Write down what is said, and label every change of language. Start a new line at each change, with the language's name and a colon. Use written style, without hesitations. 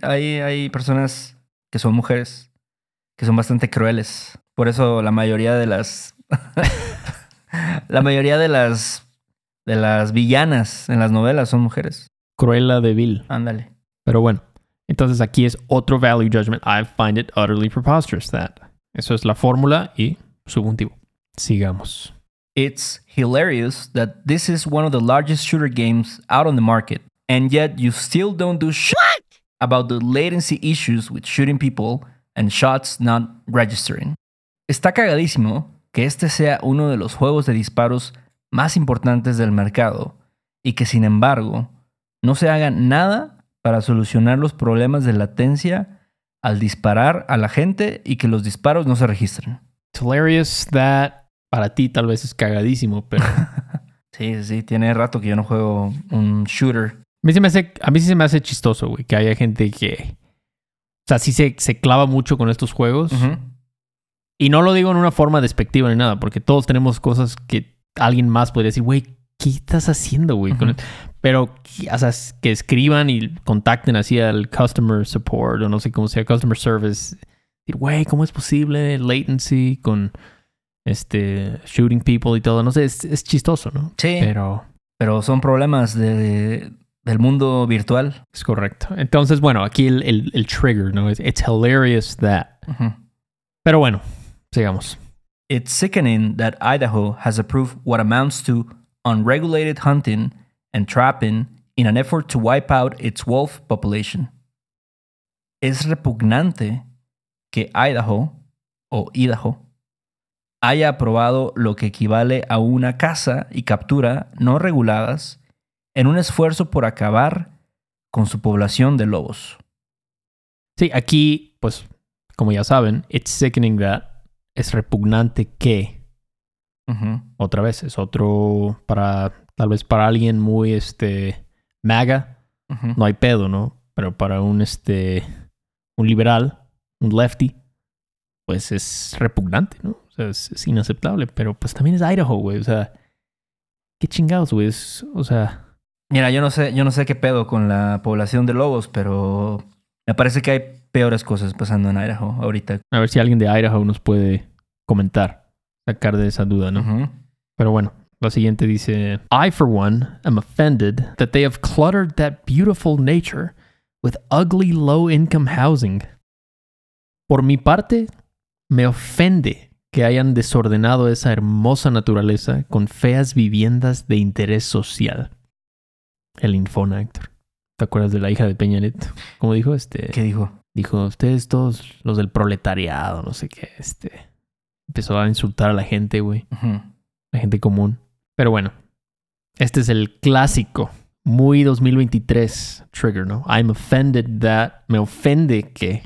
Spanish: Hay personas que son mujeres que son bastante crueles. Por eso la mayoría de las... la mayoría de las villanas en las novelas son mujeres. Cruella de Vil. Ándale. Pero bueno. Entonces aquí es otro
English: value judgment. I find it utterly preposterous that.
Spanish: Eso es la fórmula y subjuntivo. Sigamos.
English: It's hilarious that this is one of the largest shooter games out on the market, and yet you still don't do shit about the latency issues with shooting people and shots not registering.
Spanish: Está cagadísimo que este sea uno de los juegos de disparos más importantes del mercado y que, sin embargo, no se haga nada para solucionar los problemas de latencia al disparar a la gente y que los disparos no se registren.
English: It's hilarious that
Spanish: para ti tal vez es cagadísimo, pero... sí, tiene rato que yo no juego un shooter. A mí sí se me hace chistoso, güey, que haya gente que... O sea, sí se clava mucho con estos juegos. Uh-huh. Y no lo digo en una forma despectiva ni nada, porque todos tenemos cosas que alguien más podría decir, güey, ¿qué estás haciendo, güey? Uh-huh. Pero, o sea, que escriban y contacten así al customer support o no sé cómo sea, customer service. Güey, ¿cómo es posible latency con este
English: shooting people
Spanish: y todo? No sé, es chistoso, ¿no? Sí. Pero son problemas del mundo virtual. Es correcto. Entonces, bueno, aquí el trigger, ¿no?
English: It's hilarious that. Uh-huh.
Spanish: Pero bueno, sigamos.
English: It's sickening that Idaho has approved what amounts to unregulated hunting and trapping in an effort to wipe out its wolf population.
Spanish: Es repugnante que Idaho haya aprobado lo que equivale a una caza y captura no reguladas en un esfuerzo por acabar con su población de lobos. Sí, aquí, pues, como ya saben,
English: it's sickening that
Spanish: es repugnante que... Uh-huh. Otra vez, es otro para... Tal vez para alguien muy, MAGA, uh-huh, no hay pedo, ¿no? Pero para un, un liberal, un lefty, pues es repugnante, ¿no? O sea, es inaceptable. Pero pues también es Idaho, güey. O sea, qué chingados, güey. O sea... Mira, yo no sé qué pedo con la población de lobos, pero me parece que hay peores cosas pasando en Idaho ahorita. A ver si alguien de Idaho nos puede comentar, sacar de esa duda, ¿no? Uh-huh. Pero bueno. La siguiente dice,
English: I, for one, am offended that they have cluttered that beautiful nature with ugly low-income housing.
Spanish: Por mi parte, me ofende que hayan desordenado esa hermosa naturaleza con feas viviendas de interés social. El infona, Héctor. ¿Te acuerdas de la hija de Peña Nieto? ¿Cómo dijo ¿Qué dijo? Dijo, ustedes todos los del proletariado, no sé qué, empezó a insultar a la gente, güey. Ajá. Uh-huh. La gente común. Pero bueno, este es el clásico, muy 2023 trigger, ¿no?
English: I'm offended that,
Spanish: me ofende que.